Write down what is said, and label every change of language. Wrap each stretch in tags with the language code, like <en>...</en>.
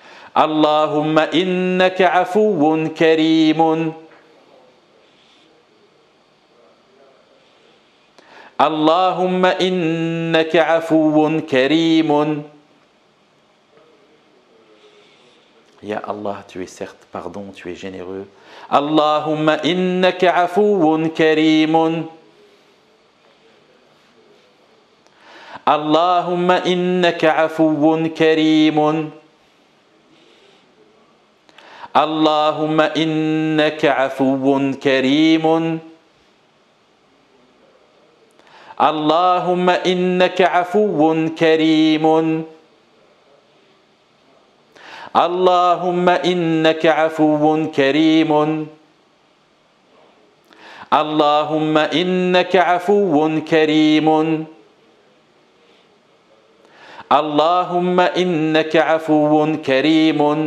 <ar>اللهم إنك عفو كريم، اللهم إنك عفو كريم. يا الله</ar> <fr>tu es certes pardon, tu es généreux.</fr> <ar>اللهم إنك عفو كريم، اللهم إنك عفو كريم. اللهم إنك عفو كريم، اللهم إنك عفو كريم، اللهم إنك عفو كريم، اللهم إنك عفو كريم، اللهم إنك عفو كريم.</ar>